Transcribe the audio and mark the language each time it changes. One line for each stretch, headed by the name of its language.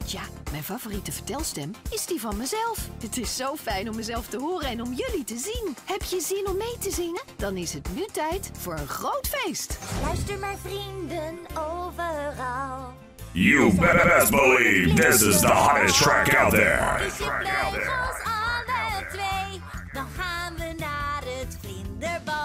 Dutch: Tja, mijn favoriete vertelstem is die van mezelf. Het is zo fijn om mezelf te horen en om jullie te zien. Heb je zin om mee te zingen? Dan is het nu tijd voor een groot feest. Luister maar vrienden overal.
English: You better best believe this is the hottest track out there.
Dutch: Dus je blijft ons alle twee. Dan gaan we naar het vlinderbal.